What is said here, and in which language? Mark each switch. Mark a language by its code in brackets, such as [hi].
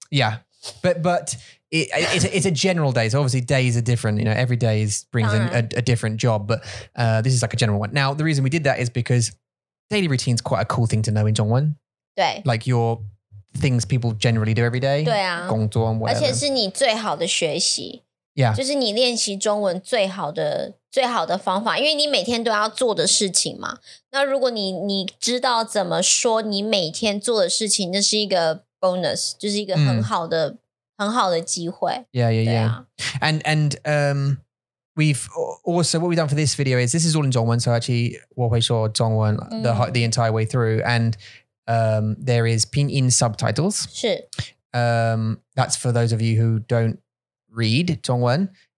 [en] Yeah. But it's a general day. So obviously days are different. You know, every day brings in a different job. But this is like a general one. Now, the reason we did that is because daily routine is quite a cool thing to know in Zhongwen. [zh] 对. [en] Like your things people generally do every day. [zh] 对啊。 [en] 工作 and whatever. [zh] 而且是你最好的学习。 [en] Yeah. [zh] 就是你练习中文最好的方法。因为你每天都要做的事情嘛。那如果你知道怎么说你每天做的事情，那是一个bonus, 就是一个很好的机会。 [en] Yeah. And we've also, what we've done for this video is, this is all in 中文, so actually, [zh] 我会说中文 [en] the entire way through, and there is 拼音 subtitles. [zh] 是。 [en] That's for those of you who don't read 中文.